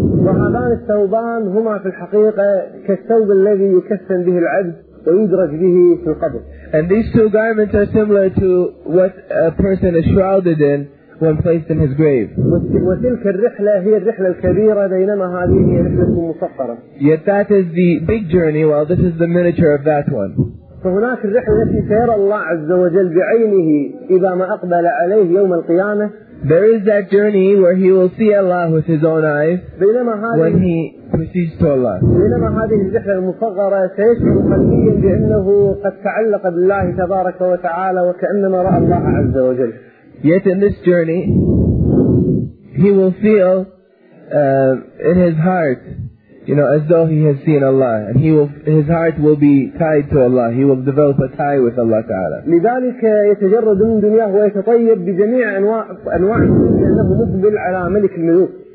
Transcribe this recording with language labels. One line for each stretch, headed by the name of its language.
Arabic: وهذان الثوبان هما في الحقيقة كالثوب الذي يكفن به العبد ويدرج به في القبر.
English: And these two garments are similar to what a person is shrouded in when placed in his grave.
Arabic: وتلك الرحلة هي الرحلة الكبيرة بينما هذه هي رحلة مصغرة.
English: Yet that is the big journey, while this is the miniature of that one.
Arabic: فهناك الرحلة التي سيرى الله عز وجل بعينه إذا ما أقبل عليه يوم القيامة.
English: There is that journey where he will see Allah with his own eyes when he proceeds to Allah.
Arabic: بينما هذه الرحلة المصغرة سيشعر قلبيا بأنه قد تعلق بالله تبارك وتعالى وكأنما رأى الله عز وجل.
English: Yet in this journey, he will feel in his heart, you know, as though he has seen Allah, and his heart will be tied to Allah. He will develop a tie with Allah Taala.
Arabic: لذلك يتجرد من دنياه ويتطيب بجميع أنواع لأنه مقبل على ملك الملوك.